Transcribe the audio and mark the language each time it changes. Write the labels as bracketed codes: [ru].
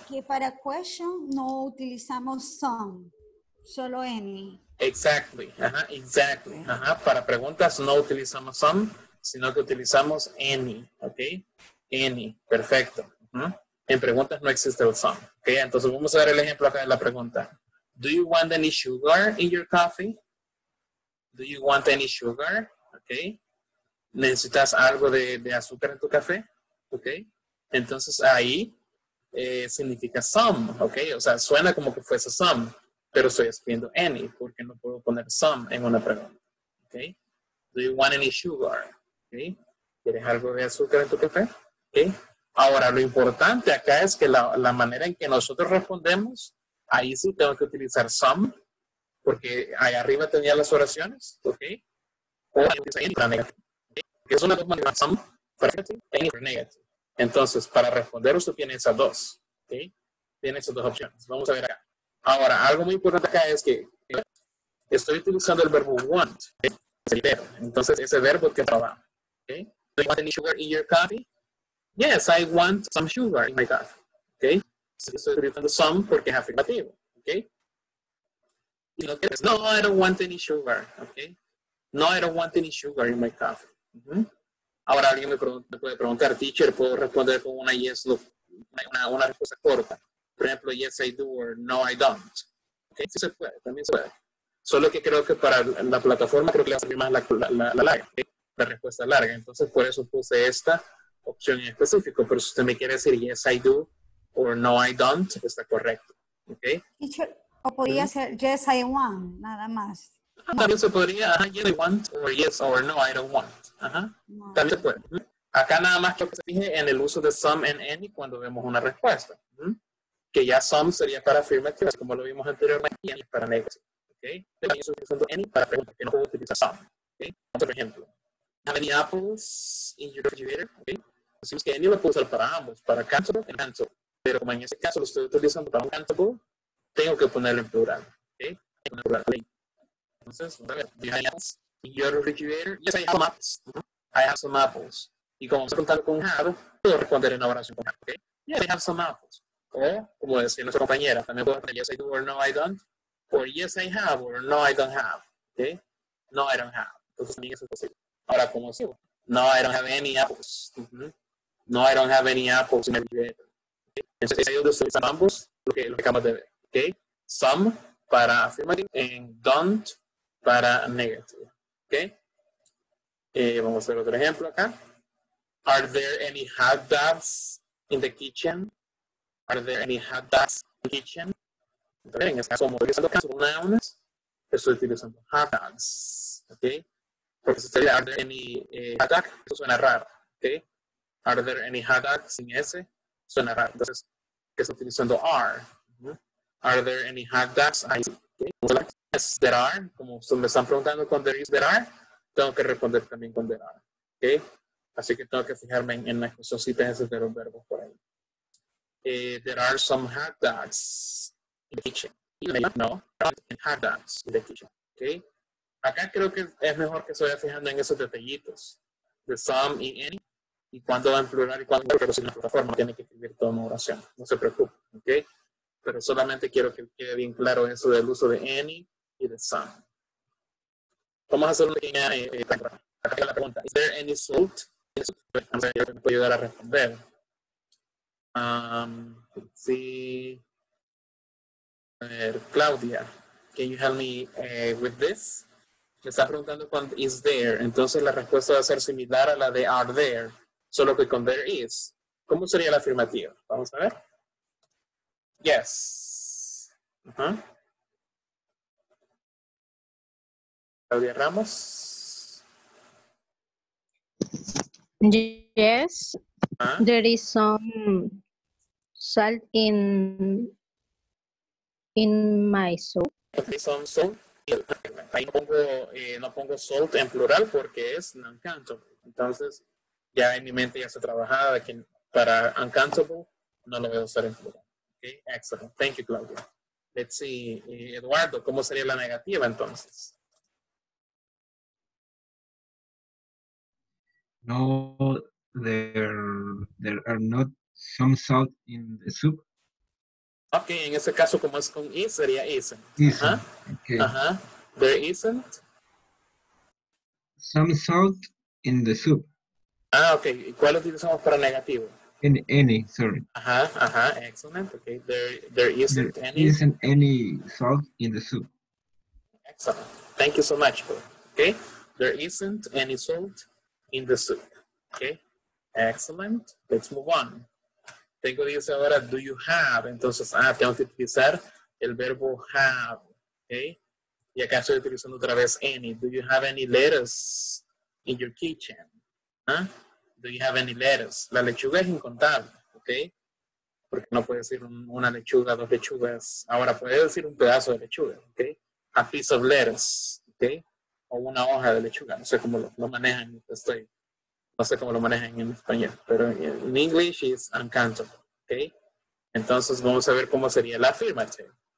[es] Que para question no utilizamos some, solo any. Exactly. Okay. Ajá. Para preguntas no utilizamos some, sino que utilizamos any, ok. Any, perfecto. En preguntas no existe el some. Okay, entonces vamos a ver el ejemplo acá de la pregunta. [en] Do you want any sugar in your coffee? Do you want any sugar? [es] Okay. ¿Necesitas algo de azúcar en tu café? Okay. Entonces ahí significa some. Okay. O sea, suena como que fuese some, pero estoy escribiendo any porque no puedo poner some en una pregunta. Okay. [en] Do you want any sugar? [es] Okay. ¿Quieres algo de azúcar en tu café? Okay. Ahora, lo importante acá es que la manera en que nosotros respondemos, ahí sí tengo que utilizar some, porque ahí arriba tenía las oraciones, ¿ok? O ahí utiliza any para negative. ¿Okay? Es una de las maneras, some, para negative, any, para negative. Entonces, para responder, usted tiene esas dos, ¿ok? Tiene esas dos opciones. Vamos a ver acá. Ahora, algo muy importante acá es que estoy utilizando el verbo want, ¿okay? Entonces, ese verbo que trabaja, ¿ok? [en] Do you want any sugar in your coffee? Yes, I want some sugar in my coffee. Okay? So, [es] estoy utilizando some porque es afirmativo. [en] Okay? [es] Y lo que es, [en] no, I don't want any sugar. Okay? No, I don't want any sugar in my coffee. Uh-huh. [es] Ahora alguien me puede preguntar, teacher, ¿puedo responder con una yes, una respuesta corta? Por ejemplo, [en] yes, I do, or no, I don't. [es] Okay? Sí se puede, también se puede. Solo que creo que para la plataforma, creo que le va a servir más la larga, okay? La respuesta larga. Entonces, por eso puse esta opción en específico, pero si usted me quiere decir [en] yes I do or no I don't, [es] está correcto, ¿ok? O podría ser [en] yes I want, [es] nada más. También se podría, [en] yes I want, or yes or no I don't want. [es] Ajá. No. También se puede. Acá nada más que se fije en el uso de some and any cuando vemos una respuesta. Que ya some sería para afirmativo, como lo vimos anteriormente, y any para negativo, ¿ok? También estoy usando any para preguntas, que no puedo utilizar some, ¿ok? Por ejemplo, [en] have any apples in your refrigerator? [es] Okay. Decimos que any lo puedo usar para ambos, para cantable y cantable. Pero como en ese caso lo estoy utilizando para un cantable, tengo que ponerlo en plural. Okay. En plural. Okay. Entonces, a ver, [en] do you have any apples in your refrigerator? Yes, I have some apples. I have some apples. [es] Y como vamos a contar con have, puedo responder en la oración con have. [en] Okay. Yes, I have some apples. [es] O como decía nuestra compañera, también puedo responder [en] yes, I do or no, I don't. O yes, I have or no, I don't have. [es] Okay. [en] No, I don't have. [es] Entonces, también eso es posible. Ahora, ¿cómo sigo? [en] No, I don't have any apples. No, I don't have any apples in my refrigerator. Okay. [es] Entonces, ahí donde estoy usando ambos, lo que acabas de ver. Okay. Some para affirmative and don't para negative. Okay. Vamos a ver otro ejemplo acá. [en] Are there any hot dogs in the kitchen? Are there any hot dogs in the kitchen? [es] Entonces, en este caso, como estoy usando nouns, estoy utilizando hot dogs. Okay. Porque si usted dice, [en] are there any hot dogs? [es] Eso suena raro, ¿ok? [en] Are there any hot dogs [es] sin S? Suena raro. Entonces, ¿qué está utilizando? Are. Uh-huh. [en] Are there any hot dogs? I see. Okay. Yes, there are. [es] Como usted me están preguntando con there is, there are, tengo que responder también con there are, ¿ok? Así que tengo que fijarme en las cositas de los verbos por ahí. [en] There are some hot dogs in the kitchen. No, there are any hot dogs in the kitchen, ¿ok? [es] Acá creo que es mejor que se vaya fijando en esos detallitos de some y any y cuándo va en plural y cuándo va en plural, pero si en la plataforma tiene que escribir toda una oración, no se preocupe, ¿ok? Pero solamente quiero que quede bien claro eso del uso de any y de some. Vamos a hacer una pequeña acá la pregunta. [en] Is there any salt? [es] Vamos a ver si me puede ayudar a responder. [en] Let's see. [es] A ver, [en] Claudia, can you help me with this? [es] Me está preguntando con is there, entonces la respuesta va a ser similar a la de are there, solo que con there is. ¿Cómo sería la afirmativa? Vamos a ver. Yes. Uh-huh. Claudia Ramos. [en] Yes. Uh-huh. There is some salt in my soup. Okay, some salt. [es] Ahí no pongo salt en plural porque es uncountable. Entonces, ya en mi mente ya está trabajada de que para uncountable no lo voy a usar en plural. [en] Okay, excellent. Thank you, Claudia. Let's see, [es] Eduardo, ¿cómo sería la negativa entonces? [en] No, there are not some salt in the soup. [es] Ok, en ese caso, como es con is, sería isn't. [en] Isn't. Uh-huh. Okay. Uh-huh. There isn't. Some salt in the soup. [es] Ah, ok. ¿Y cuál utilizamos para negativo? [en] In any, sorry. Ajá, ajá, excellent. Okay, there isn't there any. Isn't any salt in the soup. Excellent. Thank you so much. Okay, there isn't any salt in the soup. Okay, excellent. Let's move on. [es] Tengo que decir ahora, [en] do you have? [es] Entonces, tengo que utilizar el verbo have. Okay, y acá estoy utilizando otra vez any. [en] Do you have any lettuce in your kitchen? Huh? Do you have any lettuce? [es] La lechuga es incontable, [en] ¿ok? [es] Porque no puedes decir una lechuga, dos lechugas. Ahora puedes decir un pedazo de lechuga, ¿ok? [en] A piece of lettuce, [es] ¿ok? O una hoja de lechuga. No sé cómo lo manejan. Estoy, no sé cómo lo manejan en español. Pero en [en] English is uncountable, [es] ¿ok? Entonces vamos a ver cómo sería la affirmative.